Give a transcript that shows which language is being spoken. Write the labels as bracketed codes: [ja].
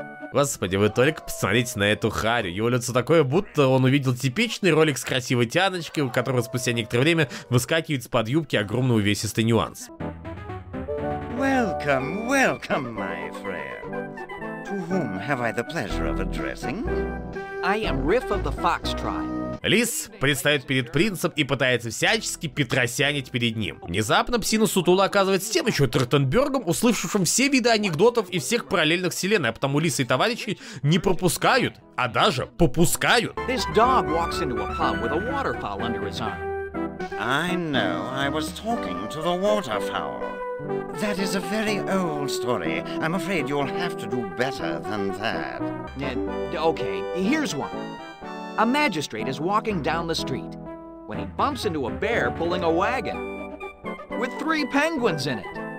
[ru] Господи, вы только посмотрите на эту харю. Его лицо такое, будто он увидел типичный ролик с красивой тяночкой, у которого спустя некоторое время выскакивает с-под юбки огромный увесистый нюанс. [en] Welcome, welcome, my friends. To whom have I the pleasure of addressing? I am Riff of the Fox Tribe. [ru] Лис предстает перед принцем и пытается всячески петросянить перед ним. Внезапно псина сутула оказывается тем еще Тротенбергом, услышавшим все виды анекдотов и всех параллельных вселенной, а потому лисы и товарищи не пропускают, а даже попускают. [en] This dog walks into a pub with a waterfowl under his arm. I know, I was talking to the waterfowl. That is a very old story. I'm afraid you'll have to do better than that. Okay, here's one. A magistrate is walking down the street when he bumps into a bear pulling a wagon with three penguins in it.